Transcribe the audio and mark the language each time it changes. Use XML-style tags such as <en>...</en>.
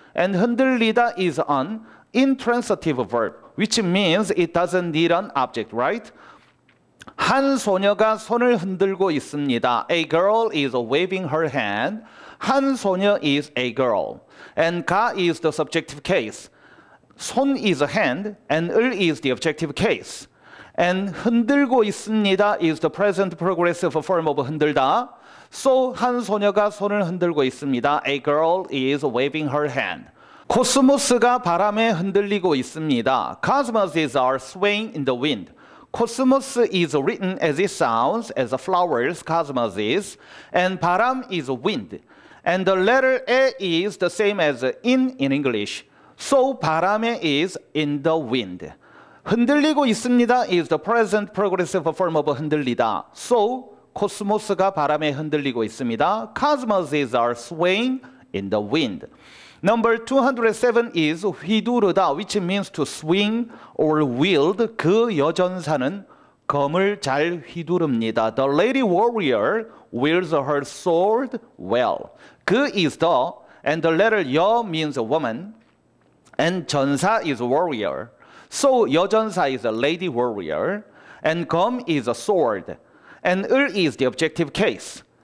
<en>And 흔들리다 is an intransitive verb, which means it doesn't need an object, right?</en> <ko>한 소녀가 손을 흔들고 있습니다.</ko> <en>A girl is waving her hand. 한 소녀 is a girl. And 가 is the subjective case. 손 is a hand. And 을 is the objective case. And 흔들고 있습니다 is the present progressive form of 흔들다. So</en> <ko>한 소녀가 손을 흔들고 있습니다.</ko> <en>A girl is waving her hand.</en> <ko>코스모스가 바람에 흔들리고 있습니다.</ko> <en>Cosmoses are swaying in the wind. Cosmos is written as it sounds, as a flowers, cosmos is, and 바람 is wind. And the letter A is the same as in English. So 바람에 is in the wind. 흔들리고 있습니다 is the present progressive form of 흔들리다.</en> <ko>So 코스모스가 바람에 흔들리고 있습니다.</ko> <en>Cosmoses are swaying in the wind. Number 207 is 휘두르다, which means to swing or wield.</en> <ko>그 여전사는 검을 잘 휘두릅니다.</ko> <en>The lady warrior wields her sword well. 그 is the, and the letter 여 means a woman, and 전사 is warrior. So 여전사 is a lady warrior, and 검 is a sword, and 을 is the objective case.</en>